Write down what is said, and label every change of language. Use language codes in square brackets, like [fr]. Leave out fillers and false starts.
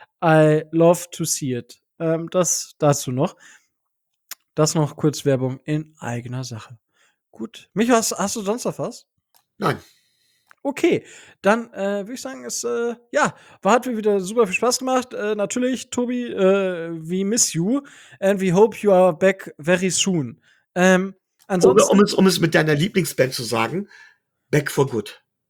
[en] I love to see it. [de] Das dazu noch. Das noch kurz Werbung in eigener Sache. Gut. Micho, hast du sonst noch was? Nein. Okay, dann würde ich sagen, hat mir wieder super viel Spaß gemacht. [en] Natürlich, Tobi, we miss you and we hope you are back very soon. [de] Ansonsten, um es mit deiner Lieblingsband zu sagen, [en] back for good.